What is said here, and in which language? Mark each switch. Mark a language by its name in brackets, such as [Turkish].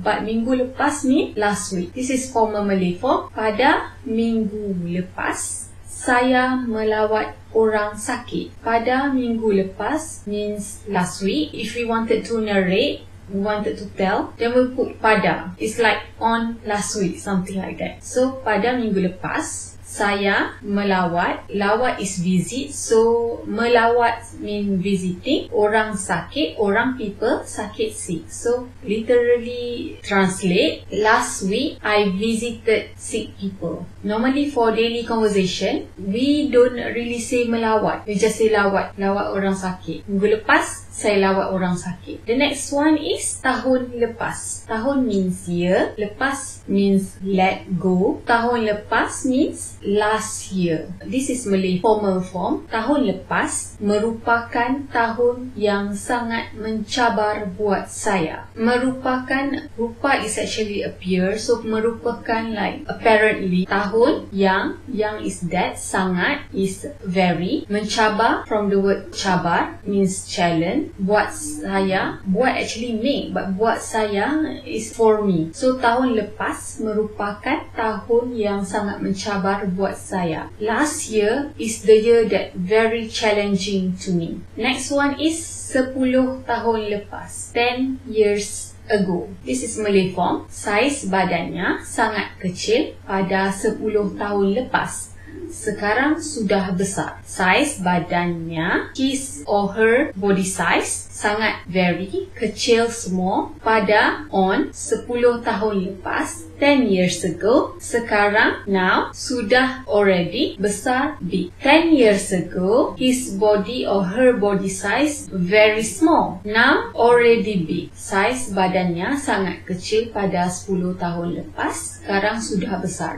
[English] But minggu lepas means last week. This is formal Malay form. [Malay] Pada minggu lepas, saya melawat orang sakit. Pada minggu lepas [English] means last week. If we wanted to narrate, we wanted to tell, then we put pada. It's like on last week, something like that. [Malay] So, pada minggu lepas, saya melawat. [English] Lawat is visit. So, melawat mean visiting. Orang sakit, orang people, sakit sick. So, literally translate, last week, I visited sick people. Normally, for daily conversation, we don't really say melawat. We just say lawat. [Malay] Lawat orang sakit. Minggu lepas, saya lawat orang sakit. [English] The next one is tahun lepas. Tahun means year. Lepas means let go. Tahun lepas means last year. This is Malay formal form. [Malay] Tahun lepas merupakan tahun yang sangat mencabar buat saya. [English] Merupakan, rupa is actually appear. So, merupakan like apparently. Tahun yang, yang is that, sangat is very. Mencabar from the word cabar means challenge. Buat saya, buat actually make, but buat saya is for me. [Malay] So tahun lepas merupakan tahun yang sangat mencabar buat saya. [English] Last year is the year that very challenging to me. Next one is 10 tahun lepas. 10 years ago. This is Malay form. [Malay] Saiz badannya sangat kecil pada 10 tahun lepas. Sekarang sudah besar. [English] Size badannya, his or her body size, sangat very, kecil small, pada on 10 tahun lepas, 10 years ago, sekarang, now, sudah already, besar, big. 10 years ago, his body or her body size, very small, now, already big. [Malay] Size badannya sangat kecil pada 10 tahun lepas, sekarang sudah besar.